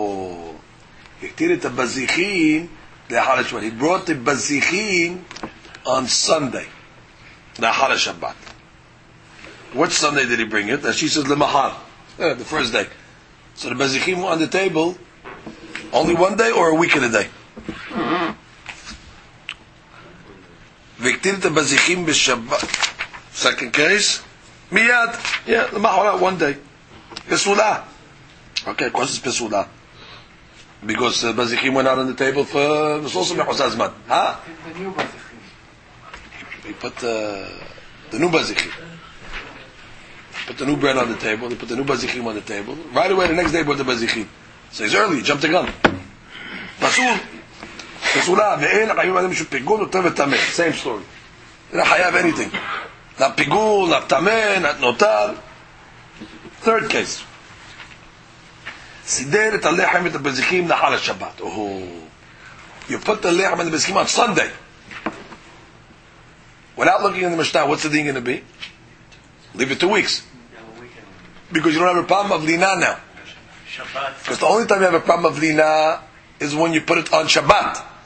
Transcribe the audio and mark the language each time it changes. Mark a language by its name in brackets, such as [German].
[Hebrew] הוא הקטיר את הבזיחים לאחר השבת. [English] He brought the בזיחים on Sunday. [Hebrew] לאחר השבת. [English] What Sunday did he bring it? And she says, למחר. The first day. So the בזיחים were on the table only one day or a week and a day? [Hebrew] והקטיר את הבזיחים בשבת. [English] Second case. [Hebrew] מיד. [English] Yeah, למחר, one day. בסולה. Okay, of course it's Pesulah. Because Bazichim went out on the table for... It was also Mechus Azman. Huh? The new Bazichim. He put the new Bazichim. Put the new bread on the table. He put the new Bazichim on the table. Right away, the next day, he brought the Bazichim. So he's early, he jumped the gun. [Hebrew] Pasul. Pesulah. Ve'en ha'ayim alim shu pigul notar v'tameh. [English] Same story. You don't have anything. Not pigul, not tameh, not notar. Third case. [Hebrew] סידר את הלחם ואת הבזיחים לאחר השבת. [English] You put the lechem and the bezichim on Sunday. Without looking in the Mishnah, what's the thing going to be? Leave it 2 weeks. Because you don't have a problem of lina now. Because the only time you have a problem of lina is when you put it on Shabbat.